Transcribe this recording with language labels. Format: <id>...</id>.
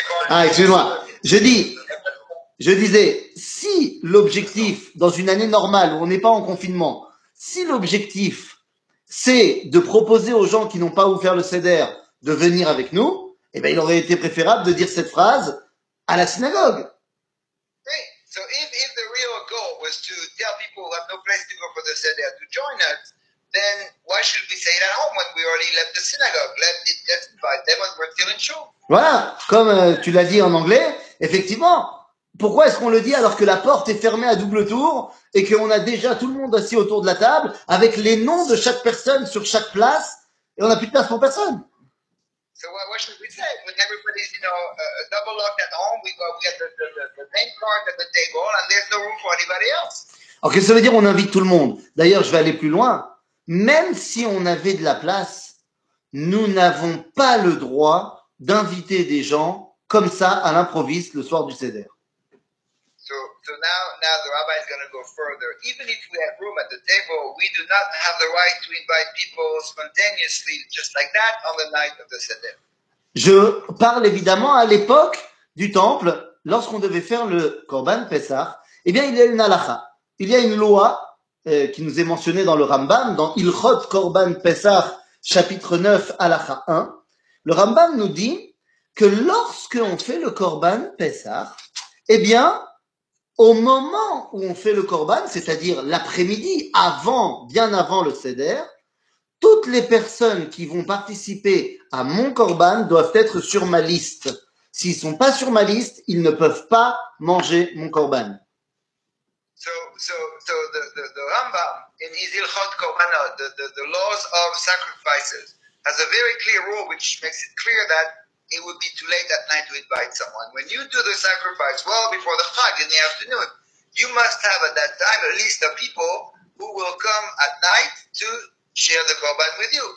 <fr>Ah, excuse-moi. Je disais, si l'objectif, dans une année normale où on n'est pas en confinement, si l'objectif, c'est de proposer aux gens qui n'ont pas ouvert le CDR de venir avec nous, eh bien, il aurait été préférable de dire cette phrase à la synagogue. Oui, donc, si le vrai</fr> <en>goal was to tell people who have no place to go for the CDR to join us, then why should we say it at home when we already left the synagogue? Let's invite them when we're still in show.</en> <fr>Voilà, comme tu l'as dit en anglais, effectivement, pourquoi est-ce qu'on le dit alors que la porte est fermée à double tour et qu'on a déjà tout le monde assis autour de la table avec les noms de chaque personne sur chaque place et on n'a plus de place pour personne?</fr> <en>So what should we say? When everybody's, you know, double locked at home, we have the main card at the table and there's no room for anybody else.</en> <fr>Alors qu'est-ce que ça veut dire on invite tout le monde? D'ailleurs, je vais aller plus loin. Même si on avait de la place, nous n'avons pas le droit d'inviter des gens comme ça à l'improviste le soir du CDR.</fr> <en>So now the rabbi is going to go further. Even if we have room at the table, we do not have the right to invite people spontaneously just like that on the night of the seder.</en> <fr>Je parle évidemment à l'époque du temple, lorsqu'on devait faire le Korban Pessah, eh bien il y a une halakha. Il y a une loi qui nous est mentionnée dans le Rambam, dans Ilchot Korban Pessah, chapitre 9, halakha 1. Le Rambam nous dit que lorsque on fait le Korban Pessah, eh bien, au moment où on fait le korban, c'est-à-dire l'après-midi, avant, bien avant le seder, toutes les personnes qui vont participer à mon korban doivent être sur ma liste. S'ils sont pas sur ma liste, ils ne peuvent pas manger mon korban.</fr> <en>So the Rambam in his Ilchot Korbanot, the laws of sacrifices, has a very clear rule which makes it clear that it would be too late at night to invite someone. When you do the sacrifice well before the chag in the afternoon, you must have at that time a list of people who will come at night to share the korban with you.</en>